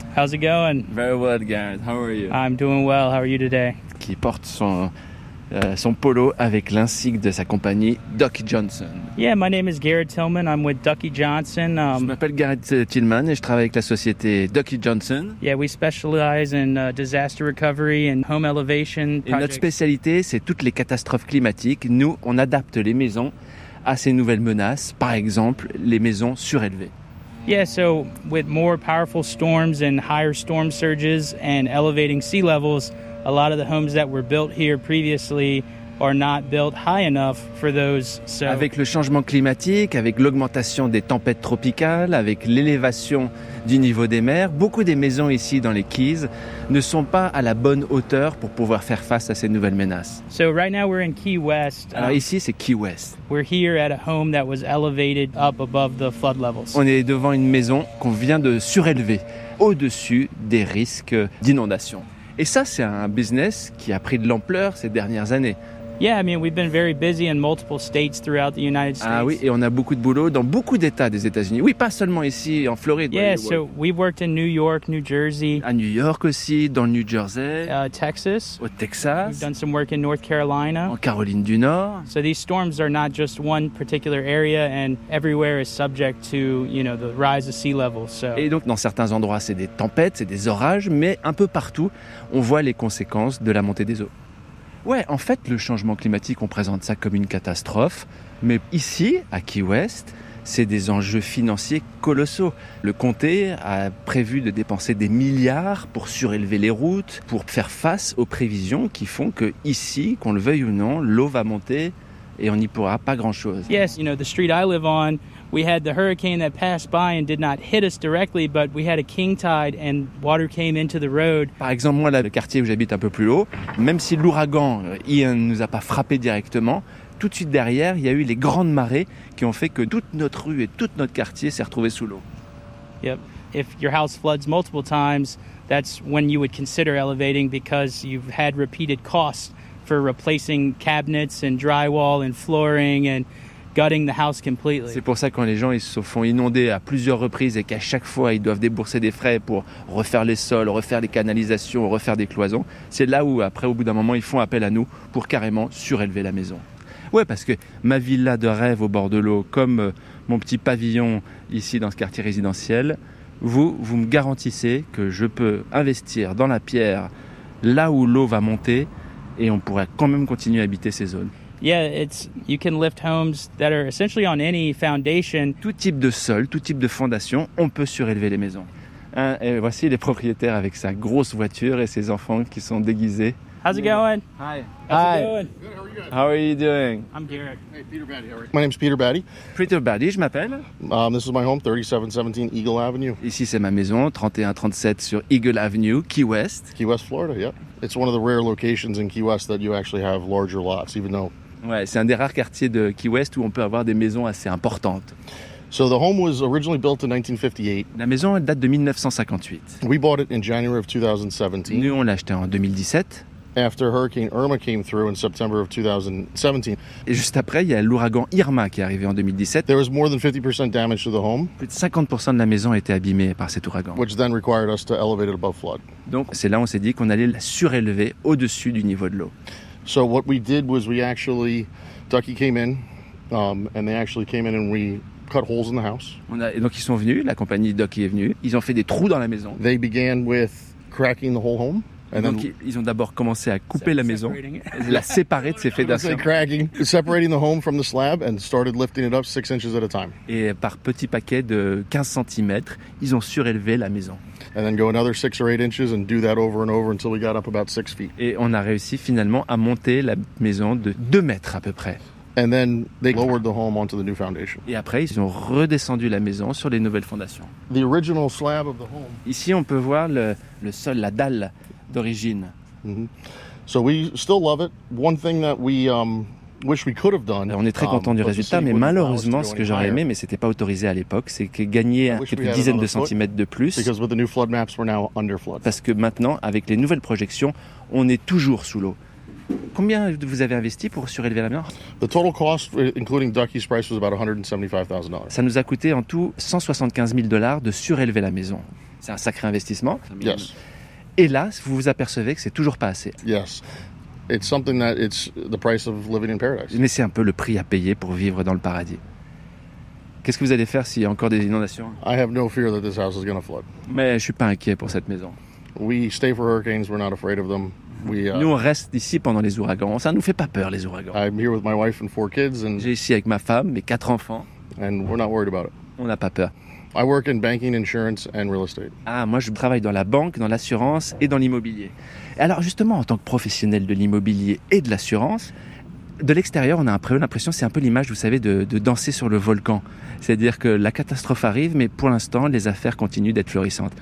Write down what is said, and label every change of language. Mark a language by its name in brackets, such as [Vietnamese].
[English] How's it going? Very well, Garrett. How are you? I'm doing well. How are you today? [French] Qui porte son... son polo avec l'insigne de sa compagnie Ducky Johnson. [English] Yeah, my name is Garrett Tillman. I'm with Ducky Johnson. [French] Je m'appelle Garrett Tillman et je travaille avec la société Ducky Johnson. [English] Yeah, we specialize in disaster recovery and home elevation projects. [French] Et notre spécialité, c'est toutes les catastrophes climatiques. Nous, on adapte les maisons à ces nouvelles menaces, par exemple les maisons surélevées. [English] Yeah, so with more powerful storms and higher storm surges and elevating sea levels, a lot of the homes that were built here previously are not built high enough for those. So [French] avec le changement climatique, avec l'augmentation des tempêtes tropicales, avec l'élévation du niveau des mers, beaucoup des maisons ici dans les Keys ne sont pas à la bonne hauteur pour pouvoir faire face à ces nouvelles menaces. [English] So right now we're in Key West. [French] Alors ici c'est Key West. [English] We're here at a home that was elevated up above the flood levels. [French] On est devant une maison qu'on vient de surélever au-dessus des risques d'inondation. Et ça, c'est un business qui a pris de l'ampleur ces dernières années. [English] Yeah, I mean, we've been very busy in multiple states throughout the United States. [French] Ah oui, et on a beaucoup de boulot dans beaucoup d'états des États-Unis. Oui, pas seulement ici en Floride. [English] Yeah, so we've worked in New York, New Jersey. [French] À New York aussi, dans New Jersey. [English] Texas. [French] Au Texas. [English] We've done some work in North Carolina. [French] En Caroline du Nord. [English] So these storms are not just one particular area, and everywhere is subject to, you know, the rise of sea level. So. [French] Et donc dans certains endroits c'est des tempêtes, c'est des orages, mais un peu partout on voit les conséquences de la montée des eaux. Ouais, en fait, le changement climatique, on présente ça comme une catastrophe. Mais ici, à Key West, c'est des enjeux financiers colossaux. Le comté a prévu de dépenser des milliards pour surélever les routes, pour faire face aux prévisions qui font que ici, qu'on le veuille ou non, l'eau va monter et on n'y pourra pas grand-chose. [English] Yes, you know, the street I live on, we had the hurricane that passed by and did not hit us directly, but we had a king tide and water came into the road. [French] Par exemple, moi, là, le quartier où j'habite un peu plus haut, même si l'ouragan Ian nous a pas frappé directement, tout de suite derrière, il y a eu les grandes marées qui ont fait que toute notre rue et tout notre quartier s'est retrouvé sous l'eau. [English] Yep. If your house floods multiple times, that's when you would consider elevating because you've had repeated costs for replacing cabinets and drywall and flooring and gutting the house completely. [French] C'est pour ça que quand les gens ils se font inonder à plusieurs reprises et qu'à chaque fois ils doivent débourser des frais pour refaire les sols, refaire les canalisations, refaire des cloisons, c'est là où après au bout d'un moment ils font appel à nous pour carrément surélever la maison. Ouais, parce que ma villa de rêve au bord de l'eau, comme mon petit pavillon ici dans ce quartier résidentiel, vous me garantissez que je peux investir dans la pierre là où l'eau va monter et on pourrait quand même continuer à habiter ces zones. [English] Yeah, it's you can lift homes that are essentially on any foundation. [French] Tout type de sol, tout type de fondation, on peut surélever les maisons. Et voici les propriétaires avec sa grosse voiture et ses enfants qui sont déguisés. [English] How's it going? Hi. How's Hi. It going? Good, how are you guys? How are you doing? I'm Garrett. Hey, Peter Batty, how are you? My name's Peter Batty. [French] Peter Batty, je m'appelle. [English] This is my home, 3717 Eagle Avenue. [French] Ici, c'est ma maison, 3137 sur Eagle Avenue, Key West. [English] Key West, Florida, yeah. It's one of the rare locations in Key West that you actually have larger lots, even though... [French] Ouais, c'est un des rares quartiers de Key West où on peut avoir des maisons assez importantes. [English] So the home was originally built in 1958. [French] La maison date de 1958. [English] We bought it in January of 2017. [French] Nous, on l'a acheté en 2017. [English] After Hurricane Irma came through in September of 2017. [French] Et juste après, il y a l'ouragan Irma qui est arrivé en 2017. [English] There was more than 50% damage to the home. [French] Plus de 50% de la maison a été abîmée par cet ouragan. [English] Which then required us to elevate it above flood. [French] Donc c'est là où on s'est dit qu'on allait la surélever au-dessus du niveau de l'eau. [English] So what we did was we actually, Ducky came in, and they actually came in and we cut holes in the house. [French] Et donc ils sont venus, la compagnie Ducky est venue, ils ont fait des trous dans la maison. [English] They began with cracking the whole home. And [French] donc [English] then, [French] ils ont d'abord commencé à couper la maison, la séparer de ses fédations. [English] Cracking, separating the home from the slab and started lifting it up 6 inches at a time. [French] Et par petits paquets de 15 cm, ils ont surélevé la maison. [English] And then go another 6 or 8 inches and do that over and over until we got up about 6 feet. [French] Et on a réussi finalement à monter la maison de 2 mètres à peu près. [English] And then they lowered the home onto the new foundation. [French] Et après, ils ont redescendu la maison sur les nouvelles fondations. [English] The original slab of the home. [French] Ici, on peut voir le sol, la dalle d'origine. [English] Mm-hmm. So we still love it. One thing that we wish we could have done. [French] On est très content du résultat, mais malheureusement, ce que j'aurais aimé, mais c'était pas autorisé à l'époque, c'est que gagner quelques dizaines de centimètres de plus. [English] Because with the new flood maps, we're now under flood. [French] Parce que maintenant, avec les nouvelles projections, on est toujours sous l'eau. Combien vous avez investi pour surélever la maison? [English] The total cost, including Ducky's price, was about $175,000. [French] Ça nous a coûté en tout $175,000 de surélever la maison. C'est un sacré investissement. [English] Yes. [French] Et là, vous vous apercevez que c'est toujours pas assez. [English] Yes. It's something that it's the price of living in paradise. [French] Mais c'est un peu le prix à payer pour vivre dans le paradis. Qu'est-ce que vous allez faire s'il y a encore des inondations? [English] I have no fear that this house is going to flood. [French] Mais je suis pas inquiet pour cette maison. [English] We stay for hurricanes, we're not afraid of them. [French] Nous on reste ici pendant les ouragans, ça nous fait pas peur les ouragans. [English] I'm here with my wife and 4 kids and [French] j'ai ici avec ma femme, mes 4 enfants. [English] And we're not worried about it. [French] On n'a pas peur. [English] I work in banking, insurance and real estate. [French] Ah, moi je travaille dans la banque, dans l'assurance et dans l'immobilier. Et alors justement, en tant que professionnel de l'immobilier et de l'assurance, de l'extérieur, on a l'impression que c'est un peu l'image, vous savez, de danser sur le volcan. C'est-à-dire que la catastrophe arrive, mais pour l'instant, les affaires continuent d'être florissantes.